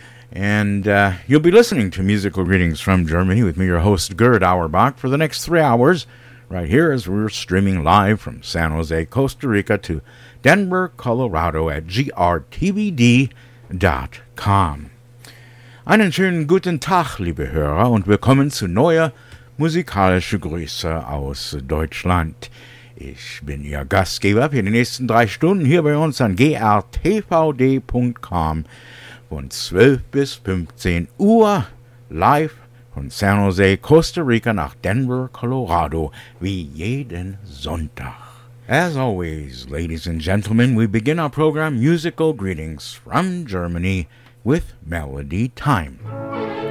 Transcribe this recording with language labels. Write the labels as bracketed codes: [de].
[en] And you'll be listening to musical greetings from Germany with me, your host, Gerd Auerbach, for the next 3 hours, right here as we're streaming live from San Jose, Costa Rica, to Denver, Colorado, at grtvd.com. [de] Einen schönen guten Tag, liebe Hörer, und willkommen zu neuer musikalische Grüße aus Deutschland. Ich bin Ihr Gastgeber für die nächsten 3 Stunden hier bei uns an grtvd.com von 12 bis 15 Uhr live von San Jose, Costa Rica nach Denver, Colorado, wie jeden Sonntag. [en] As always, ladies and gentlemen, we begin our program Musical Greetings from Germany with Melody Time. Thank you.